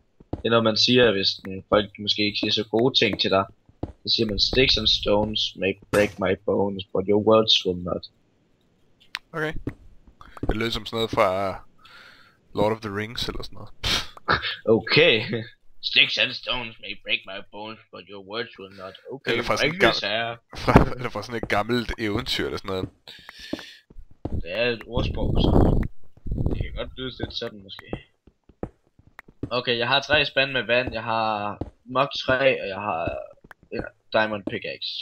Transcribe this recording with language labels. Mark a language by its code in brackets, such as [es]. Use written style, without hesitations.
[da] Det er noget, man siger, hvis folk måske ikke siger så gode ting til dig. Så siger man, [en] sticks and stones may break my bones, but your words will not. [da] Okay. Det lyder som sådan noget fra Lord of the Rings eller sådan noget. Okay. [en] Sticks and stones may break my bones, but your words will not. [da] Okay, eller fra sådan ringes, eller fra sådan et gammelt eventyr eller sådan noget. Det er et ordsprog, så det kan godt lyde lidt sådan måske. Okay, jeg har 3 spande med vand, jeg har mok 3, og jeg har diamond pickaxe.